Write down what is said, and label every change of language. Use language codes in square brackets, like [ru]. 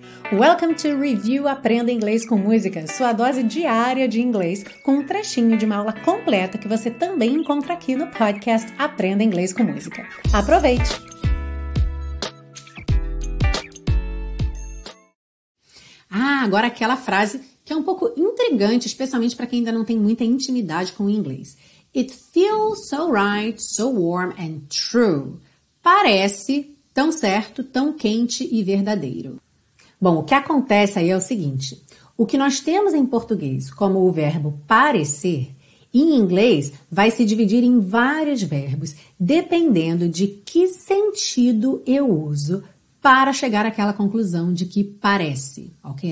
[en] Welcome to [pt] Review Aprenda Inglês com Música, sua dose diária de inglês com um trechinho de uma aula completa que você também encontra aqui no podcast Aprenda Inglês com Música. Aproveite! Ah, agora aquela frase que é um pouco intrigante, especialmente para quem ainda não tem muita intimidade com o inglês. [en] It feels so right, so warm and true. [pt] Parece tão certo, tão quente e verdadeiro. Bom, o que acontece aí é o seguinte. O que nós temos em português como o verbo parecer, em inglês vai se dividir em vários verbos, dependendo de que sentido eu uso para chegar àquela conclusão de que parece, ok?